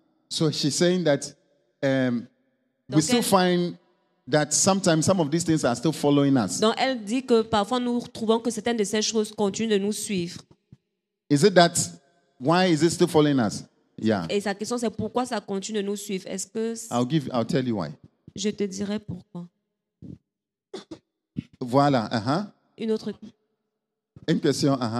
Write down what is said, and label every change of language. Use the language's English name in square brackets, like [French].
[English] So she's saying that [French] donc [English] we still find that sometimes some of these things are still following us. [French] Donc elle dit que parfois nous trouvons que certaines de ces choses continuent de nous suivre. [English] Is it that why is it still following us? Yeah. [French] Et sa question c'est pourquoi ça continue de nous suivre? Est-ce que [English] I'll tell you why. [French] Je te dirai pourquoi. Voilà. Une autre. Une question.